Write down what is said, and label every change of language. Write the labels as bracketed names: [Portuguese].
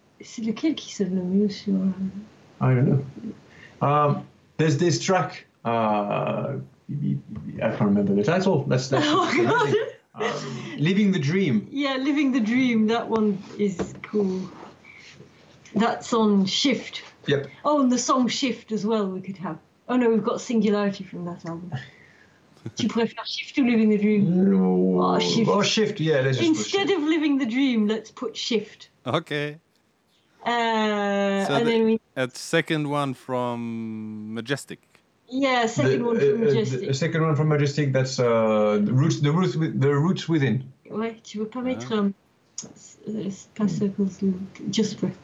[French] C'est lequel qui sonne le mieux sur. [English] I don't know. There's this track. I can't remember the title. That's oh God. Living the Dream. Yeah, Living the Dream. That one is cool. That's on Shift. Yep. Oh, and the song Shift as well we could have. Oh no, we've got Singularity from that album. [French] Tu préfères Shift ou Living the Dream? [English] No. Oh, Shift. Oh, Shift, yeah, let's just instead put of Living the Dream, let's put Shift. Okay. So and then we at second one from Majestic. Yeah, second one from Majestic. That's the roots within. [French] Ouais, tu veux pas mettre pas circles, just breath.